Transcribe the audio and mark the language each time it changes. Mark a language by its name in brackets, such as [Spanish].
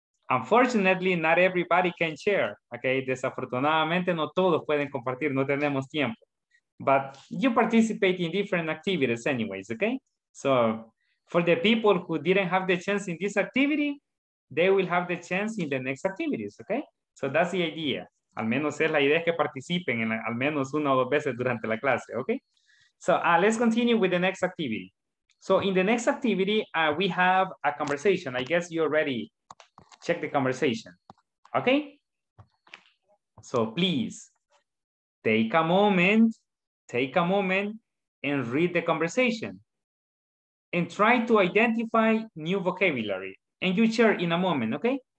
[English] Unfortunately, not everybody can share. Okay. [Spanish] Desafortunadamente, no todos pueden compartir. No tenemos tiempo. [English] But you participate in different activities anyways, okay? So for the people who didn't have the chance in this activity, they will have the chance in the next activities, okay? So that's the idea. [Spanish] Al menos es la idea que participen en al menos una o dos veces durante la clase, okay? [English] So let's continue with the next activity. So in the next activity, we have a conversation. I guess you already checked the conversation, okay? So please take a moment. Take a moment and read the conversation and try to identify new vocabulary and you share in a moment, okay?